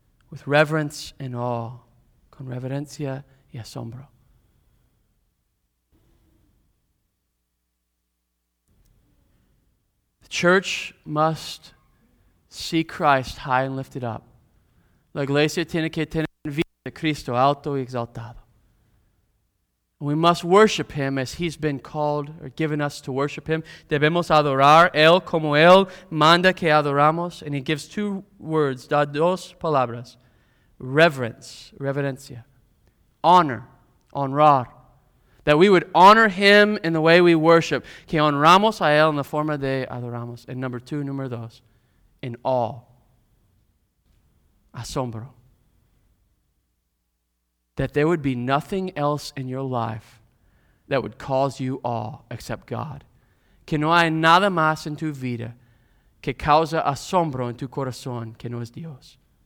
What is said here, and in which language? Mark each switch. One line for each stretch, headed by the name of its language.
English: With reverence and awe,
Spanish: con reverencia y asombro.
English: The church must see Christ high and lifted up.
Spanish: La iglesia tiene que tener en vista Cristo alto y exaltado.
English: We must worship him as he's been called or given us to worship him.
Spanish: Debemos adorar él como él manda que adoramos.
English: And he gives two words,
Spanish: da dos palabras.
English: Reverence, reverencia. Honor, honrar. That we would honor him in the way we worship.
Spanish: Que honramos a él en la forma de adoramos.
English: And number two,
Spanish: número dos,
English: in awe. Asombro. That there would be nothing else in your life that would cause you awe except God.
Spanish: Que no hay nada más en tu vida que causa asombro en tu corazón que no es Dios.